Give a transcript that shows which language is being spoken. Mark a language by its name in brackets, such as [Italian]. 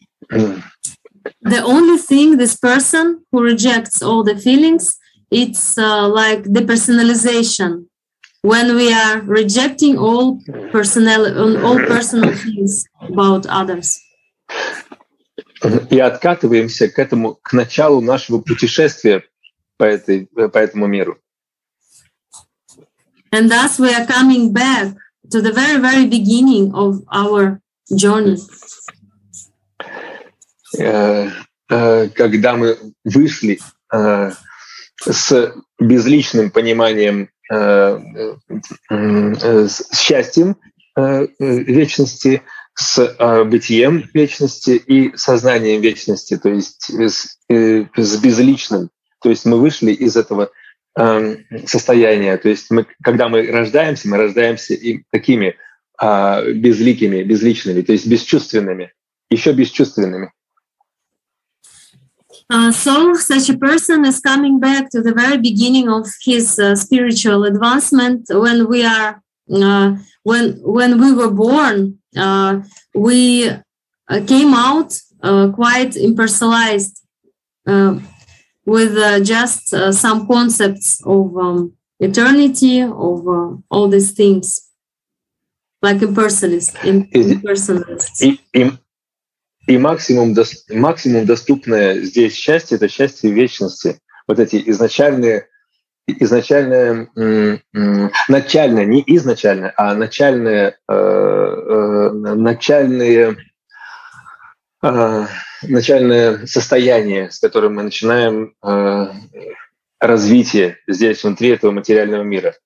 [English] The only thing this person who rejects all the feelings, it's like depersonalization. When we are rejecting all personal things about others. [Russian] И откатываемся к этому, к началу нашего путешествия по этому миру. [English] And thus we are coming back to the very, very beginning of our journey. [Russian] Когда мы вышли с безличным пониманием счастьем вечности, с бытием вечности и сознанием вечности, то есть с безличным. То есть мы вышли из этого состояния. То есть когда мы рождаемся и такими безликими, безличными, то есть бесчувственными, еще бесчувственными. [English] So such a person is coming back to the very beginning of his spiritual advancement. When we are, when we were born, we came out quite impersonalized, with just some concepts of eternity, of all these things, like impersonalists. [Russian] И максимум доступное здесь счастье — это счастье вечности. Вот эти изначальные начальное, не изначальное, а начальное состояние, с которым мы начинаем развитие здесь, внутри этого материального мира.